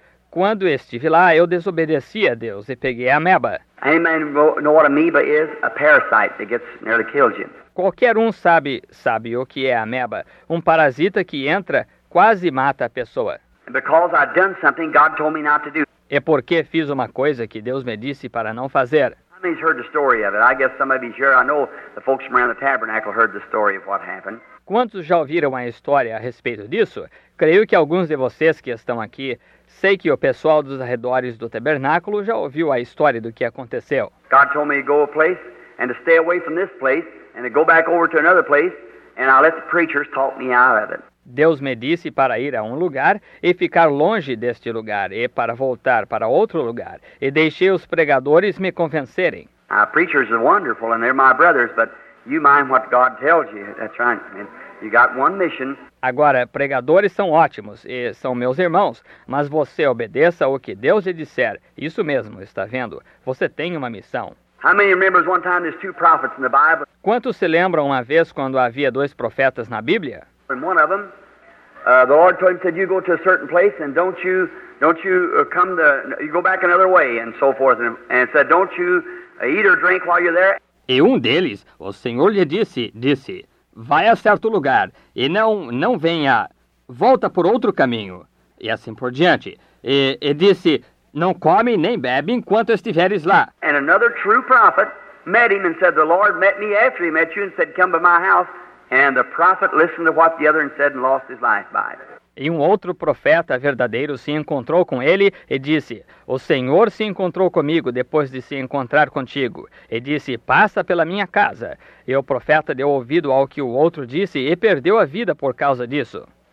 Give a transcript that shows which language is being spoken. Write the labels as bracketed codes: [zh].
[pt] Quando estive lá, eu desobedeci a Deus e peguei a ameba. [en] Anybody know what amoeba is? A parasite that gets nearly kills you. [pt] Qualquer um sabe o que é a ameba. Um parasita que entra, quase mata a pessoa. [en] Because I've done something God told me not to do. [pt] É porque fiz uma coisa que Deus me disse para não fazer. [en] Somebody's heard the story of it. I guess somebody's here. I know the folks from around the tabernacle heard the story of what happened. [pt] Quantos já ouviram a história a respeito disso? Creio que alguns de vocês que estão aqui, sei que o pessoal dos arredores do tabernáculo já ouviu a história do que aconteceu. [en] God told me to go a place and to stay away from this place and to go back over to another place and I let the preachers talk me out of it. [pt] Deus me disse para ir a um lugar e ficar longe deste lugar e para voltar para outro lugar e deixei os pregadores me convencerem. [en] Our preachers are wonderful and they're my brothers, but you mind what God tells you. That's right. And you got one mission. [pt] Agora, pregadores são ótimos e são meus irmãos, mas você obedeça o que Deus lhe disser. Isso mesmo, está vendo? Você tem uma missão. [en] How many remembers one time there's two prophets in the Bible? [pt] Quantos se lembram uma vez quando havia dois profetas na Bíblia? [en] And one of them, the Lord told him, said, you go to a certain place and don't you come to, you go back another way and so forth. And said, don't you eat or drink while you're there? [pt] E um deles, o Senhor lhe disse, vai a certo lugar e não venha, volta por outro caminho, e assim por diante. E disse, não come nem bebe enquanto estiveres lá. [en] And another true prophet met him and said, the Lord met me after he met you and said, come to my house. And the prophet listened to what the other said and lost his life by it. [pt] E um outro profeta verdadeiro se encontrou com ele e disse, o Senhor se encontrou comigo depois de se encontrar contigo. E disse, passa pela minha casa. E o profeta deu ouvido ao que o outro disse e perdeu a vida por causa disso.